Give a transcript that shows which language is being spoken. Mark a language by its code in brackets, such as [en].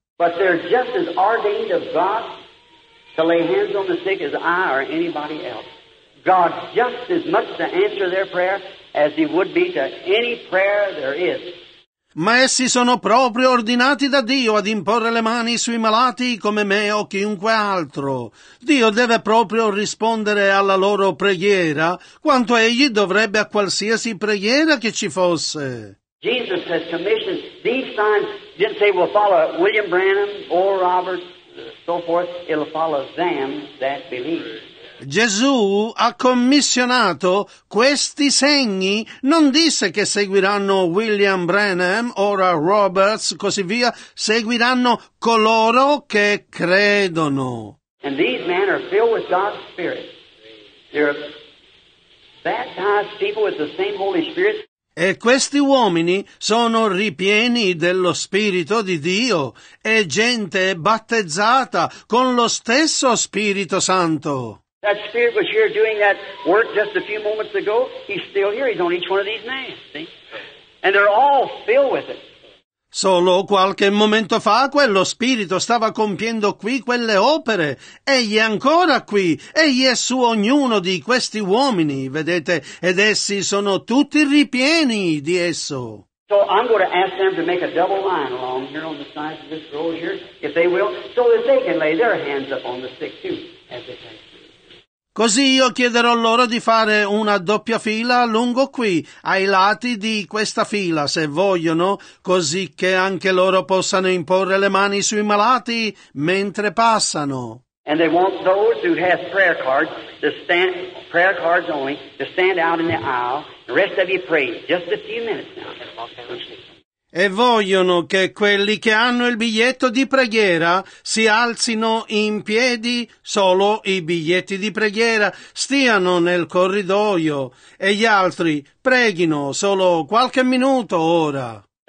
[en] But they're just as ordained of God to lay hands on the sick as I or anybody else. God just as much to answer their prayer as he would be to any prayer there is. [it] Ma essi sono proprio ordinati da Dio ad imporre le mani sui malati come me o chiunque altro. Dio deve proprio rispondere alla loro preghiera quanto egli dovrebbe a qualsiasi preghiera che ci fosse. [en] Jesus has commissioned these signs. Didn't say we'll follow William Branham or Robert, so forth. It'll follow them that believe. [it] Gesù ha commissionato questi segni, non disse che seguiranno William Branham, ora Roberts, così via, seguiranno coloro che credono. [en] And these men are filled with God's Spirit. They're baptized people with the same Holy Spirit. [it] E questi uomini sono ripieni dello Spirito di Dio, e gente battezzata con lo stesso Spirito Santo. [en] That Spirit was here doing that work just a few moments ago. He's still here. He's on each one of these men, see? And they're all filled with it. [it] Solo qualche momento fa quello Spirito stava compiendo qui quelle opere. Egli è ancora qui. Egli è su ognuno di questi uomini, vedete? Ed essi sono tutti ripieni di esso. [en] So I'm going to ask them to make a double line along here on the sides of this road here, if they will, so that they can lay their hands up on the sick too, as they say. [it] Così io chiederò loro di fare una doppia fila lungo qui, ai lati di questa fila, se vogliono, così che anche loro possano imporre le mani sui malati mentre passano. [en] And they want those who have prayer cards to stand, prayer cards only, to stand out in the aisle. The rest of you pray just a few minutes now. [it] E vogliono che quelli che hanno il biglietto di preghiera si alzino in piedi, solo i biglietti di preghiera, stiano nel corridoio, e gli altri preghino solo qualche minuto ora.